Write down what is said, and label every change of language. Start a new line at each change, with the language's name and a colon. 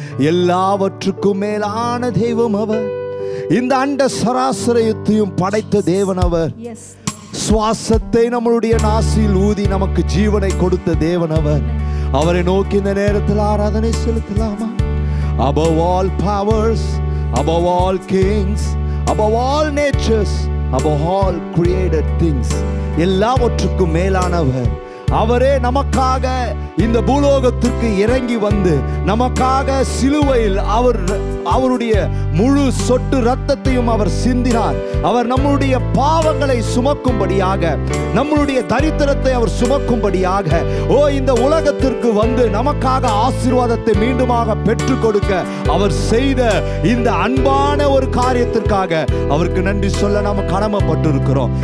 Tamil: எல்லாவற்றுக்கும் மேலான தெய்வம் அவர். இந்த அண்ட சராசரத்தையும் படைத்த தேவன் அவர். சுவாசத்தை நம்முடைய நாசியில் ஊதி நமக்கு ஜீவனை கொடுத்த தேவன் அவர். அவரை நோக்கி இந்த நேரத்தில் ஆராதனை செலுத்தலாமா?
English: Above all powers, above all kings, above all natures, above all created things,
Tamil: எல்லாவற்றுக்கும் மேலானவர் அவரே. நமக்காக இந்த பூலோகத்திற்கு இறங்கி வந்து நமக்காக சிலுவையில் அவர் அவருடைய முழு சொட்டு இரத்தத்தையும் அவர் சிந்தினார். அவர் நம்முடைய பாவங்களை சுமக்கும்படியாக, நம்முடைய தரித்திரத்தை அவர் சுமக்கும்படியாக, ஓ இந்த உலகத்திற்கு வந்து நமக்காக ஆசீர்வாதத்தை மீண்டுமாக பெற்றுக் கொடுக்க அவர் செய்த இந்த அன்பான ஒரு காரியத்திற்காக அவருக்கு நன்றி சொல்ல நாம் கடமைப்பட்டிருக்கிறோம்.